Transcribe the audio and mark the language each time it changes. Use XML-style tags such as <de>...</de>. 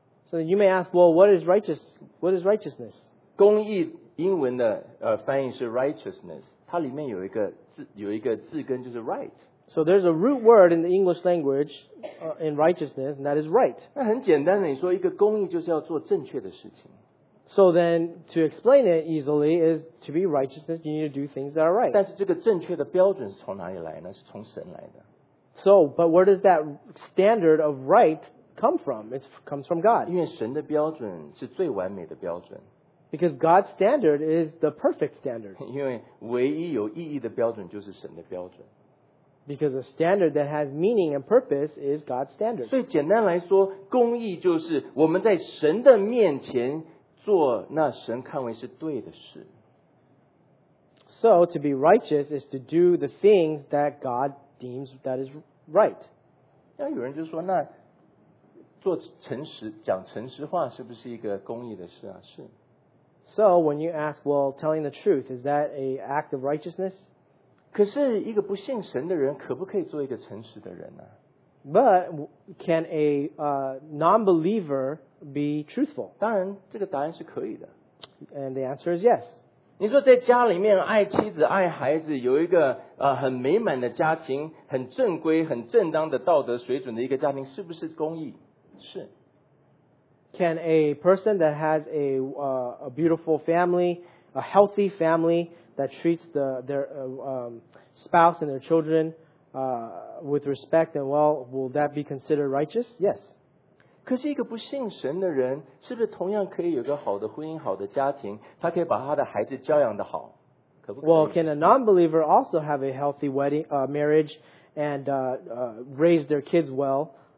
<en>So you may ask, well, what is righteousness?</en> <zh>公义英文的翻译是 righteousness， 它里面有一个字根就是 right。</zh> <en>So there's a root word in the English language in righteousness, and that is right.</en> <zh>那很简单的，你说一个公义就是要做正确的事情。</zh> <en>So then, to explain it easily, is to be righteousness, you need to do things that are right.</en> <zh>但是这个正确的标准是从哪里来呢？是从神来的。</zh> <en>So, but where does that standard of right come from? It comes from God.</en> <zh>因为神的标准是最完美的标准。</zh> <en>Because God's standard is the perfect standard.</en> <zh>因为唯一有意义的标准就是神的标准。</zh> <en>Because a standard that has meaning and purpose is God's standard.</en> <zh>所以简单来说，公义就是我们在神的面前做那神看为是对的事。</zh> <en>So to be righteous is to do the things that God deems that is right.</en> <zh>那有人就说，那做诚实，讲诚实话是不是一个公义的事啊？是。</zh> <en>So when you ask, well, telling the truth, is that an act of righteousness?</en> <zh>可是一个不信神的人可不可以做一个诚实的人呢？</zh> <en>But can a non-believer be truthful?</en> <zh>当然这个答案是可以的。</zh> <en>And the answer is yes.</en> <zh>你说在家里面爱妻子爱孩子，有一个很美满的家庭，很正规很正当的道德水准的一个家庭，是不是公义？是。</zh> <en>Can a person that has a beautiful family, a healthy familyThat treats their spouse and their children with respect and well, will that be considered righteous? Yes.</en> <zh>可是一个不信神的人，是不是同样可以有个好的婚姻、好的家庭？他可以把他的孩子教养得好，可不可以？</zh> <en>Well, can a non-believer also have a healthy wedding, marriage, and raise their kids well?</en>